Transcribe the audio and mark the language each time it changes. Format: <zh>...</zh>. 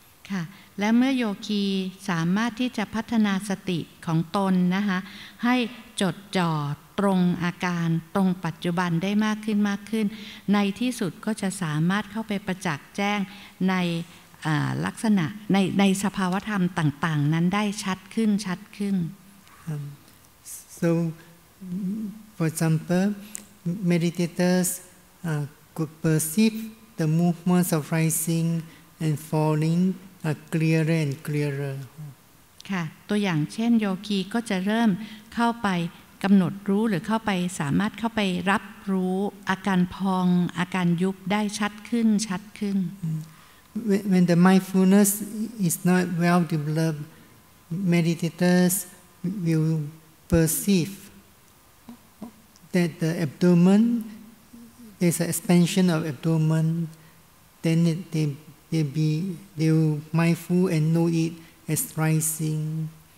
<th>ค่ะและเมื่อโยคีสามารถที่จะพัฒนาสติของตนนะคะให้จดจ่อ ตรงอาการตรงปัจจุบันได้มากขึ้นมากขึ้นในที่สุดก็จะสามารถเข้าไปประจักษ์แจ้งในลักษณะในสภาวธรรมต่างๆนั้นได้ชัดขึ้นชัดขึ้น</th> <en>So for example meditators could perceive the movements of rising and falling clearer and clearer</en> <th>ค่ะตัวอย่างเช่นโยคีก็จะเริ่มเข้าไปกำหนดรู้หรือเข้าไปสามารถเข้าไปรับรู้อาการพองอาการยุบได้ชัดขึ้นชัดขึ้น</th> <en>When the mindfulness is not well developed, meditators will perceive that the abdomen there's an expansion of abdomen. Then they will mindful and know it as rising.</en>